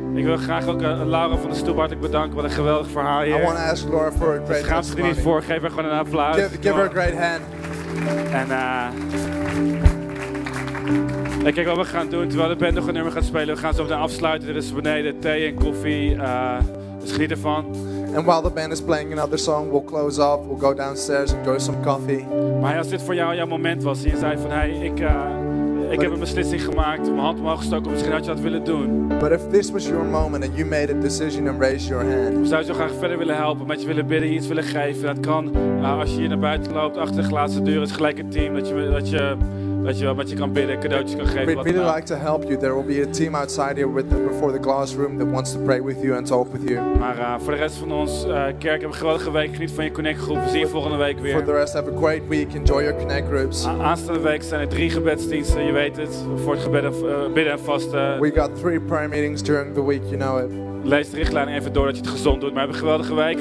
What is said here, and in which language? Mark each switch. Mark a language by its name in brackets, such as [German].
[Dutch] Ik wil graag ook Laura van de Stoep hartelijk bedanken. Wat een geweldig verhaal hier. [English] I want to ask Laura for a great hand. [Dutch] Ze niet voor, geef haar gewoon een applaus. [English] Give her a great hand. [Dutch] En kijk wat we gaan doen. Terwijl de band nog een nummer gaat spelen, we gaan zo meteen afsluiten. Er is beneden thee en koffie. Dus geniet ervan. [English] And while the band is playing another song, we'll close up, we'll go downstairs, enjoy some coffee. [Dutch] Maar als dit voor jou jouw moment was, en je zei van, hey, ik heb een beslissing gemaakt, mijn hand omhoog gestoken, misschien had je dat willen doen. [English] But if this was your moment and you made a decision and raised your hand. [Dutch] Zou je zo graag verder willen helpen, met je willen bidden, iets willen geven. Dat kan als je hier naar buiten loopt, achter de glazen deur, is gelijk een team, dat je kan bidden, cadeautjes kan geven. [English] We'd really like to help you. There will be a team outside here with before the glass room that wants to pray with you and talk with you. [Dutch] Maar voor de rest van ons kerk, heb een geweldige week. Geniet van je connect groep. We zien je volgende week weer. [English] For the rest, have a great week. Enjoy your connect groups. [Dutch] Aanstaande week zijn er 3 gebedsdiensten. Je weet het. Voor het gebed, bidden en vasten. [English] We got 3 prayer meetings during the week. You know it. [Dutch] Lees de richtlijn even door dat je het gezond doet. Maar heb een geweldige week.